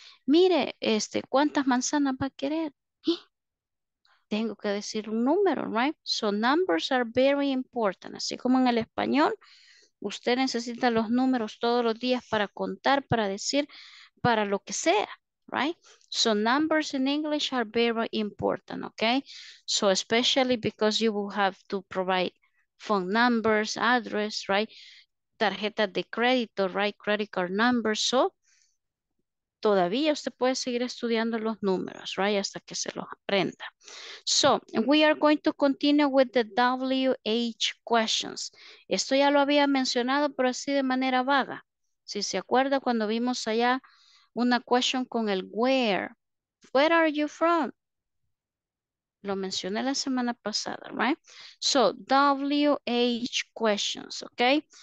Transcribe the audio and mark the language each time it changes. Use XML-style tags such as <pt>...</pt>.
<es>Mire, este, ¿cuántas manzanas va a querer? Tengo que decir un número, right?</es> <en>So numbers are very important.</en> <es>Así como en el español, usted necesita los números todos los días para contar, para decir, para lo que sea.</es> <en>Right? So numbers in English are very important, okay? So especially because you will have to provide phone numbers, address, right?</en> <es>Tarjetas de crédito,</es> <en>right? Credit card numbers.</en> <es>So todavía usted puede seguir estudiando los números, right? Hasta que se los aprenda.</es> <en>So we are going to continue with the WH questions.</en> <es>Esto ya lo había mencionado, pero así de manera vaga. Si se acuerda cuando vimos allá una question con el where.</es> <en>Where are you from?</en> <es>Lo mencioné la semana pasada, right?</es> <en>So, WH questions, okay?</en>